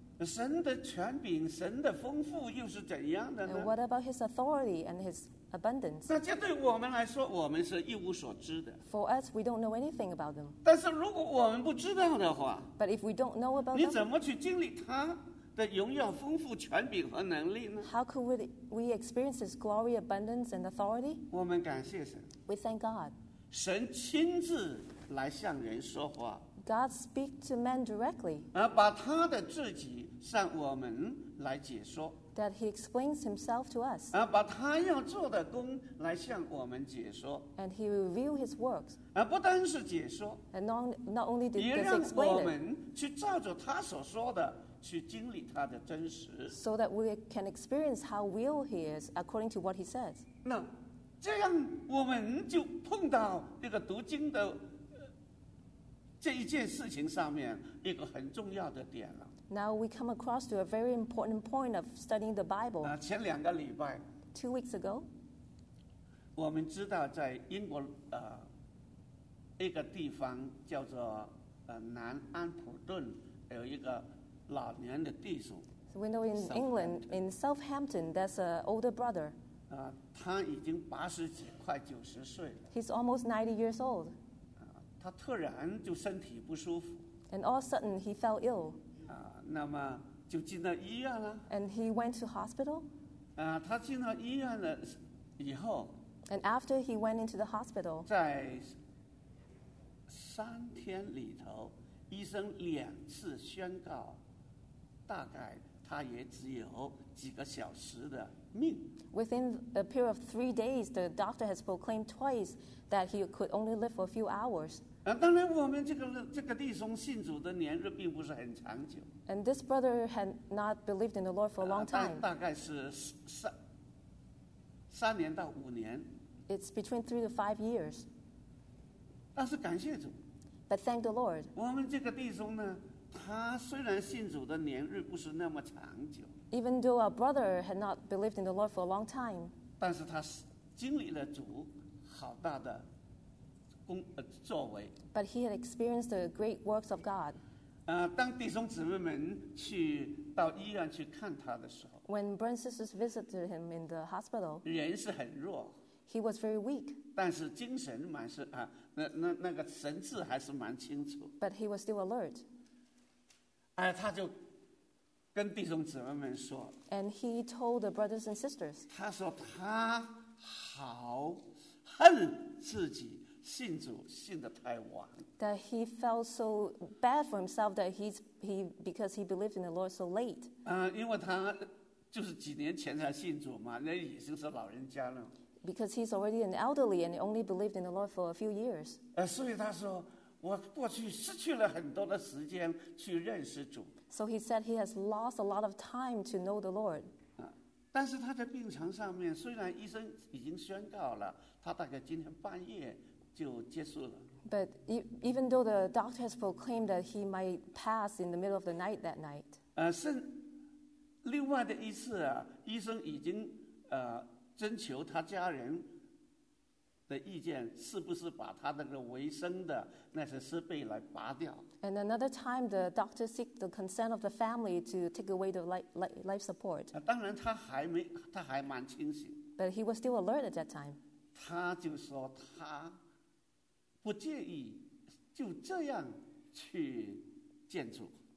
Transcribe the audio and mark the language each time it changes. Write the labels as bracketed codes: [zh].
[zh] 神的权柄、神的丰富又是怎样的呢？ [en] And what about His authority and His abundance? [zh] 那这对我们来说，我们是一无所知的。 [en] For us, we don't know anything about them. [zh] 但是如果我们不知道的话， [en] But if we don't know about them, [zh] 你怎么去经历他的荣耀、丰富、权柄和能力呢？ [en] How could we experience His glory, abundance, and authority? [zh] 我们感谢神。 [en] We thank God. [zh] 神亲自来向人说话。 [en] God speak to men directly. [zh] 而把他的自己向我们来解说。 [en] That He explains Himself to us. [zh] 而把他要做的工来向我们解说。 [en] And He reveal His works. [zh] 而不单是解说。 [en] And not only does He explain it. [zh] 也让我们去照着他所说的去经历他的真实。 [en] So that we can experience how real He is according to what He says. [zh] 那这样我们就碰到那个读经的这一件事情上面一个很重要的点了。 [en] Now we come across to a very important point of studying the Bible. [zh] 前两个礼拜 [en] ，two weeks ago， [zh] 我们知道在英国一个地方叫做南安普顿有一个老年的弟兄。 [en] So we know in England, in Southampton, there's an older brother. [zh] 他已经八十几，快九十岁了。 [en] He's almost 90 years old. [zh] 他突然就身体不舒服。 [en] And all of a sudden, he fell ill. [zh] 那么就进到医院了。 [en] And he went to hospital. [zh] 他进到医院了以后。 [en] And after he went into the hospital. [zh] 在三天里头，医生两次宣告，大概他也只有几个小时的。 [en] Within a period of 3 days, the doctor has proclaimed twice that he could only live for a few hours. [zh] 当然我们这个弟兄信主的年日并不是很长久。 [en] And this brother had not believed in the Lord for a long time. [zh] 大概是三年到五年。 [en] It's between 3 to 5 years. [zh] 但是感谢主。 [en] But thank the Lord. [zh] 我们这个弟兄呢，他虽然信主的年日不是那么长久。 [en] Even though our brother had not believed in the Lord for a long time, [zh] 但是他经历了主好大的工作为。 [en] But he had experienced the great works of God. [zh] 当弟兄姊妹们去到医院去看他的时候， [en] When brothers and sisters visited him in the hospital, [zh] 人是很弱。 [en] He was very weak. [zh] 但是精神蛮是那个神志还是蛮清楚。 [en] But he was still alert. [zh] 他就跟弟兄姊妹们说， [en] and he told the brothers and sisters, [zh] 他说他好恨自己信主信得太晚。 [en] That he felt so bad for himself that because he believed in the Lord so late. [zh] 因为他就是几年前才信主嘛，那已经是老人家了。 [en] Because he's already an elderly and only believed in the Lord for a few years. [zh] 所以他说我过去失去了很多的时间去认识主。 [en] So he said he has lost a lot of time to know the Lord. [zh] 但是他在病床上面，虽然医生已经宣告了，他大概今天半夜就结束了。 [en] But even though the doctor has proclaimed that he might pass in the middle of the night that night. [zh] 另外的一次啊，医生已经征求他家人的意见，是不是把他那个维生的那些设备来拔掉。 [en] And another time, the doctor seek the consent of the family to take away the life support. [zh] 当然他还蛮清醒。 [en] But he was still alert at that time. [zh] 他就说他不介意就这样去见主。